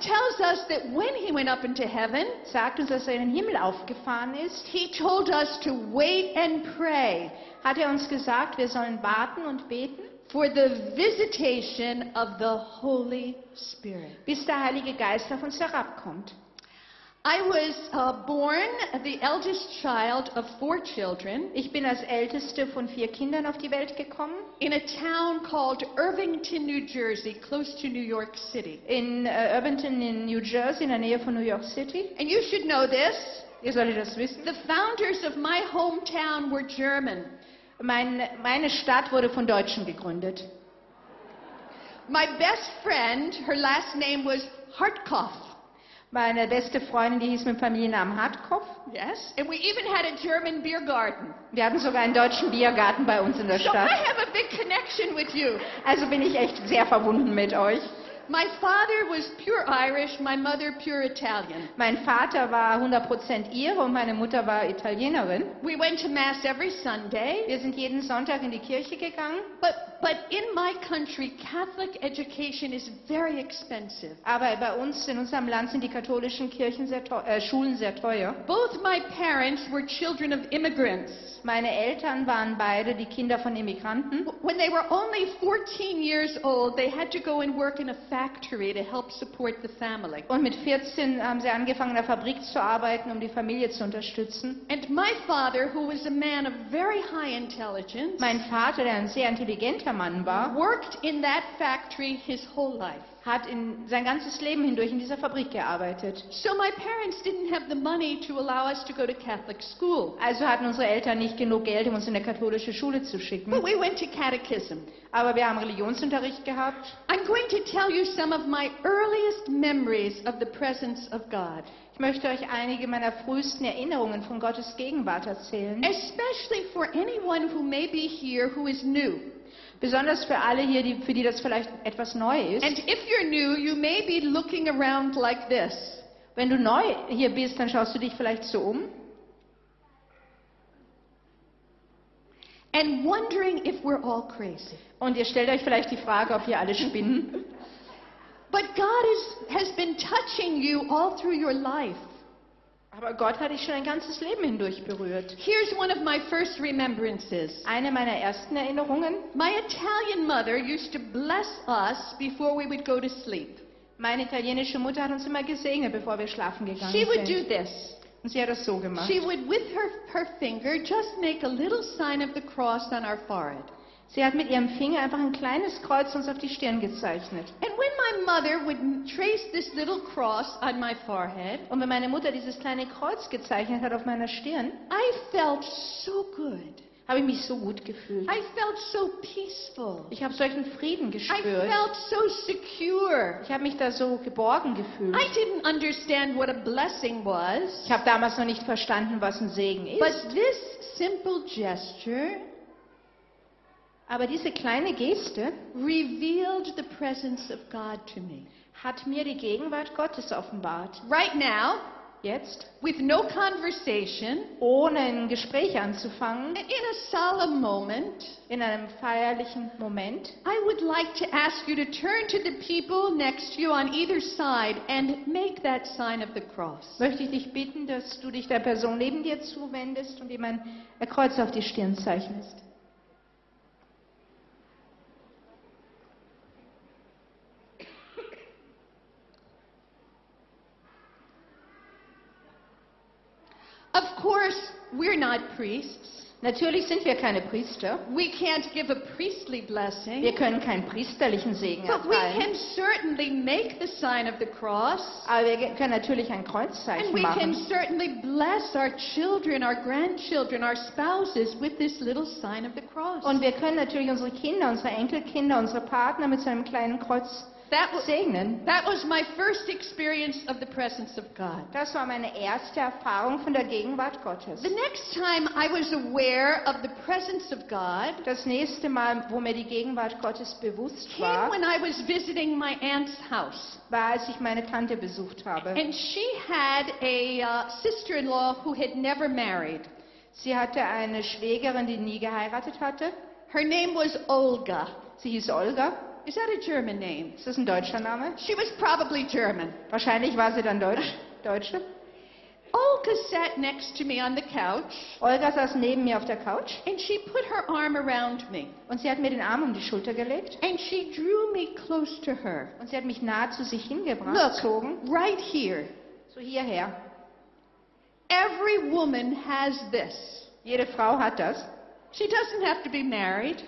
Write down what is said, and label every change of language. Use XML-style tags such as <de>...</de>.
<en>tells us that when he went up into heaven,</en> <de>sagt uns, dass er in den Himmel aufgefahren ist,</de> <en>he told us to wait and pray,</en> <de>hat er uns gesagt, wir sollen warten und beten,</de> <en>for the visitation of the Holy Spirit,</en> <de>bis der Heilige Geist auf uns herabkommt.</de> <en>I was born the eldest child of four children.</en> <de>Ich bin als älteste von vier Kindern auf die Welt gekommen.</de> <en>In a town called Irvington, New Jersey, close to New York City.</en> <de>In Irvington in New Jersey, in der Nähe von New York City.</de> <en>And you should know this.</en> <de>Ihr solltet das wissen.</de> <en>The founders of my hometown were German.</en> <de>Meine Stadt wurde von Deutschen gegründet.</de> <en>My best friend, her last name was Hartkopf.</en> <de>Meine beste Freundin, die hieß mit Familiennamen Hartkopf.</de> <en>Yes. And we even had a German beer garden.</en> <de>Wir hatten sogar einen deutschen Biergarten bei uns in der Stadt.</de> <en>So I have a big connection with you.</en> <de>Also bin ich echt sehr verbunden mit euch.</de> <en>My father was pure Irish, my mother pure Italian.</en> <de>Mein Vater war 100% Ire und meine Mutter war Italienerin.</de> <en>We went to mass every Sunday.</en> <de>Wir sind jeden Sonntag in die Kirche gegangen.</de> <en>But in my country, Catholic education is very expensive.</en> <de>Aber bei uns in unserem Land sind die katholischen Kirchen sehr Schulen sehr teuer.</de> <en>Both my parents were children of immigrants.</en> <de>Meine Eltern waren beide die Kinder von Immigranten.</de> <en>When they were only 14 years old, they had to go and work in a factory to help support the family.</en> <de>Und mit 14 haben sie angefangen, in der Fabrik zu arbeiten, um die Familie zu unterstützen.</de> <en>And my father, who was a man of very high intelligence,</en> <de>mein Vater, der ein sehr intelligenter Mann war,</de> <en>worked in that factory his whole life.</en> <de>Hat in sein ganzes Leben hindurch in dieser Fabrik gearbeitet.</de> <en>So my parents didn't have the money to allow us to go to Catholic school.</en> <de>Also hatten unsere Eltern nicht genug Geld, um uns in eine katholische Schule zu schicken.</de> <en>But we went to catechism.</en> <de>Aber wir haben Religionsunterricht gehabt.</de> <en>I'm going to tell you some of my earliest memories of the presence of God.</en> <de>Ich möchte euch einige meiner frühesten Erinnerungen von Gottes Gegenwart erzählen.</de> <en>Especially for anyone who may be here who is new.</en> <de>Besonders für alle hier, für die das vielleicht etwas neu ist.</de> <en>And if you're new, you may be looking around like this.</en> <de>Wenn du neu hier bist, dann schaust du dich vielleicht so um.</de> <en>And wondering if we're all crazy.</en> <de>Und ihr stellt euch vielleicht die Frage, ob wir alle spinnen.</de> <en>But God has been touching you all through your life.</en> <de>Aber Gott hat dich schon ein ganzes Leben hindurch berührt.</de> <en>Here's one of my first remembrances.</en> <de>Eine meiner ersten Erinnerungen.</de> <en>My Italian mother used to bless us before we would go to sleep.</en> <de>Meine italienische Mutter hat uns immer gesegnet, bevor wir schlafen gegangen sind.</de> <en>She would do this.</en> <de>Und sie hat das so gemacht.</de> <en>She would with her finger just make a little sign of the cross on our forehead.</en> <de>Sie hat mit ihrem Finger einfach ein kleines Kreuz uns auf die Stirn gezeichnet.</de> <en>And when my mother would trace this little cross on my forehead,</en> <de>und wenn meine Mutter dieses kleine Kreuz gezeichnet hat auf meiner Stirn,</de> <en>I felt so good.</en> <de>Habe ich mich so gut gefühlt.</de> <en>I felt so peaceful.</en> <de>Ich habe solchen Frieden gespürt.</de> <en>I felt so secure.</en> <de>Ich habe mich da so geborgen gefühlt.</de> <en>I didn't understand what a blessing was.</en> <de>Ich habe damals noch nicht verstanden, was ein Segen ist.</de> <en>But this simple gesture,</en> <de>aber diese kleine Geste</de> <en>revealed the presence of God to me.</en> <de>Hat mir die Gegenwart Gottes offenbart.</de> <en>Right now,</en> <de>jetzt,</de> <en>with no conversation,</en> <de>ohne ein Gespräch anzufangen,</de> <en>in a solemn moment,</en> <de>in einem feierlichen Moment,</de> <en>I would like to ask you to turn to the people next to you on either side and make that sign of the cross.</en> <de>Möchte ich dich bitten, dass du dich der Person neben dir zuwendest und ihm ein Kreuz auf die Stirn zeichnest.</de> <en>Of course, we're not priests.</en> <de>Natürlich sind wir keine Priester.</de> <en>We can't give a priestly blessing.</en> <de>Wir können keinen priesterlichen Segen erteilen.</de> <en>But we can certainly make the sign of the cross.</en> <de>Aber wir können natürlich ein Kreuzzeichen machen.</de> <en>And we can certainly bless our children, our grandchildren, our spouses with this little sign of the cross.</en> <de>Und wir können natürlich unsere Kinder, unsere Enkelkinder, unsere Partner mit so einem kleinen Kreuz segnen.</de> <en>That was my first experience of the presence of God.</en> <de>Das war meine erste Erfahrung von der Gegenwart Gottes.</de> <en>The next time I was aware of the presence of God,</en> <de>das nächste Mal, wo mir die Gegenwart Gottes bewusst</de> <en>came</en> <de>war,</de> <en>when I was visiting my aunt's house,</en> <de>war, als ich meine Tante besucht habe.</de> <en>And she had a sister-in-law who had never married.</en> <de>Sie hatte eine Schwägerin, die nie geheiratet hatte.</de> <en>Her name was Olga.</en> <de>Sie hieß Olga.</de> <en>Is that a German name?</en> <de>Ist das ein deutscher Name?</de> <en>She was probably German.</en> <de>Wahrscheinlich war sie dann Deutsche.</de> <en>Olga sat next to me on the couch.</en> <de>Olga saß neben mir auf der Couch.</de> <en>And she put her arm around me.</en> <de>Und sie hat mir den Arm um die Schulter gelegt.</de> <en>And she drew me close to her.</en> <de>Und sie hat mich nah zu sich hingebracht.</de> <en>Look, right here.</en> <de>So hierher.</de> <en>Every woman has this.</en> <de>Jede Frau hat das.</de> <en>She doesn't have to be married.</en>